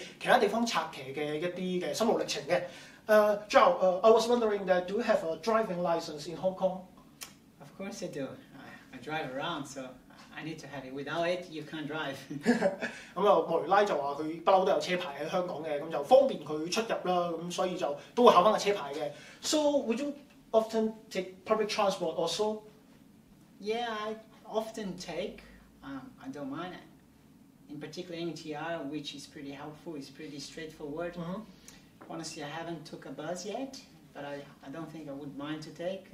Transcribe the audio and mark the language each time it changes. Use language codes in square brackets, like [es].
[zh] 我們現在想了解一下莫雷拉一些日常生活、點滴，分享一下他自己個人的背景，在香港或者以前在其他地方拆騎的一些心路歷程。 [en] Joao, I was wondering that, do you have a driving license in Hong Kong? Of course I do. I drive around, so I need to have it. Without it, you can't drive. [zh] 莫雷拉就說他一向都有車牌在香港，方便他出入，所以都會考車牌。 [en] So, would you often take public transport also? Yeah, I often take. I don't mind it. In particular, MTR, which is pretty helpful, it's pretty straightforward. Mm-hmm. Honestly, I haven't took a bus yet, but I don't think I would mind to take.